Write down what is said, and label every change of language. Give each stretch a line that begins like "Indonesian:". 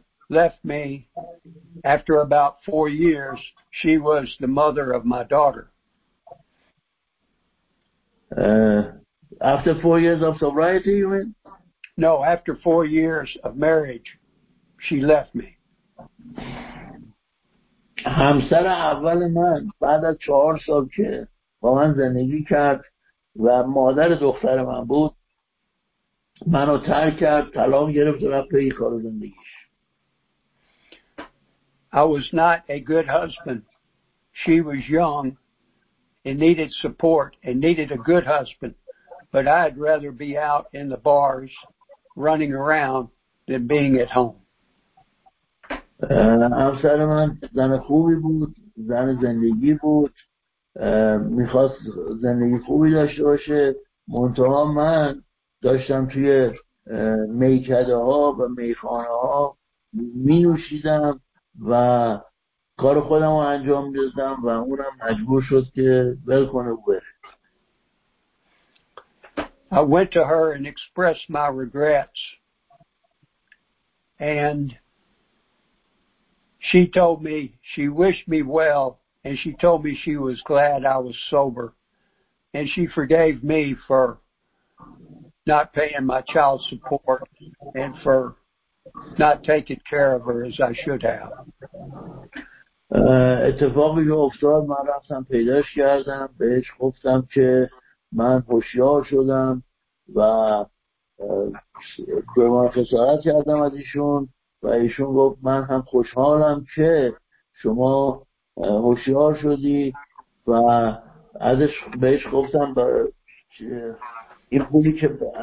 English: left me after about 4 years. She was the mother of my daughter. After 4 years of sobriety, you mean? No, after 4 years of marriage, she left me.
Persian: همسر اول من بعد از 4 سال که با من زندگی کرد و مادر دختر من بود منو ترک کرد، طلاق گرفت و رفت به یک کار زندگیش.
English: I was not a good husband. She was young and needed support and needed a good husband. But I'd rather be out in the bars running around than being at home.
Persian: همسر من زن خوبی بود، زن زندگی بود، میخواست زندگی خوبی داشته باشه، منتها من داشتم توی میکده ها و میخانه ها مینوشیدم و کار خودم رو انجام میدادم و اونم مجبور شد که ول کنه و بره.
English: I went to her and expressed my regrets and she told me she wished me well and she told me she was glad I was sober and she forgave me for not paying my child support and for not taking care of her as I should have.
Persian: اتفاقی افتاد، من رفتم پیداش کردم، بهش گفتم که من هوشیار شدم و به من خسارت کردم از ایشون و ایشون گفت من هم خوشحالم که شما هوشیار شدی و ازش بهش گفتم این پولی که